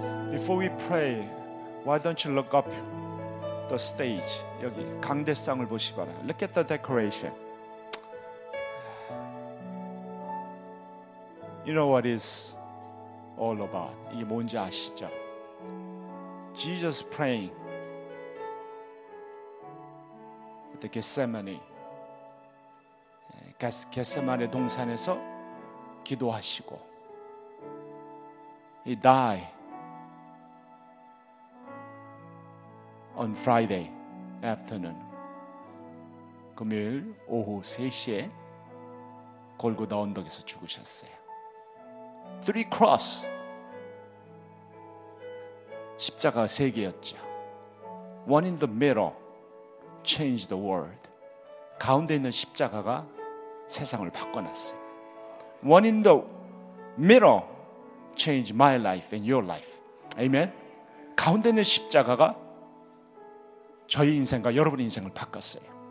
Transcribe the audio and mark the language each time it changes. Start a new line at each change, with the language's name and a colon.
English: Before we pray, why don't you look up the stage?
Korean: 여기 강대상을 보시 봐라.
English: Look at the decoration. You know what it's all about.
Korean: 이게 뭔지 아시죠?
English: Jesus praying at the Gethsemane.
Korean: 겟세마네 동산에서 기도하시고
English: He died on Friday afternoon.
Korean: 금요일 오후 3시에 골고다 언덕에서 죽으셨어요.
English: Three cross.
Korean: 십자가 세 개였죠.
English: One in the middle changed the world.
Korean: 가운데 있는 십자가가 세상을 바꿔놨어요.
English: One in the middle changed my life and your life. Amen.
Korean: 가운데 있는 십자가가 저희 인생과 여러분 인생을 바꿨어요.